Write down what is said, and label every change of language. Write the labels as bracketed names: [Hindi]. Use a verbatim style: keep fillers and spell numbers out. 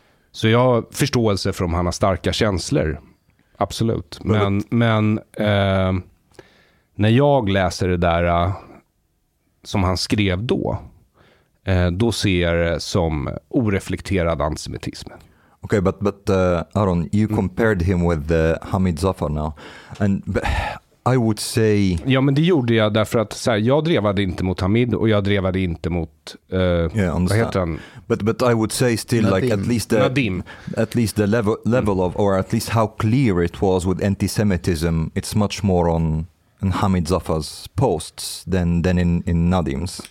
[Swedish] Så jag har förståelse för om han har starka känslor. Absolut. Men, men eh, när jag läser det där eh, som han skrev då. Eh, då ser jag det som oreflekterad antisemitism. [English] Okay, but but uh, Aaron, you compared him with uh, Hamid Zafar now, and but I would say. [Swedish] Ja, men det gjorde jag därför att så här, jag drevade inte mot Hamid och jag drevade inte mot. Uh, yeah, vad heter han? [English] But but I would say still Nadim. Like at least the Nadim. At least the level level of or at least how clear it was with antisemitism. It's much more on. And Hamid Zafar's posts than than in, in Nadim's.